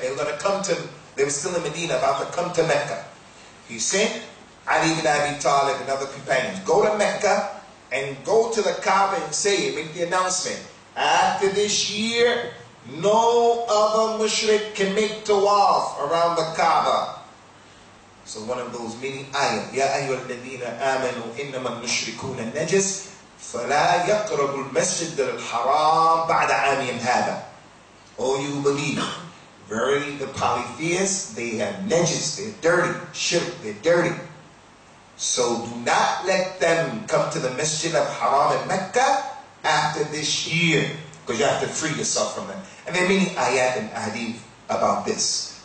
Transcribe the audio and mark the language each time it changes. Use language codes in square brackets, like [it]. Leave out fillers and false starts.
[en] They were still in Medina, about to come to Mecca. He sent Ali ibn Abi Talib and other companions, go to Mecca, and go to the Kaaba and say, make the announcement, after this year, no other mushrik can make tawaf around the Kaaba. So one of those many ayah, [ar] يَا أَيُّهَا الَّذِينَ آمَنُوا إِنَّمَا الْمُشْرِكُونَ النَّجِسِ فَلَا يَقْرَبُ الْمَسْجِدَ الْحَرَامِ بَعْدَ عَامِيَمْ هَذَا. [en] Oh, you believe, verily the polytheists, they have najis, they're dirty, shirk, they're dirty. So do not let them come to the Masjid of Haram in Mecca after this year, because you have to free yourself from them. And there are many ayat and hadith about this.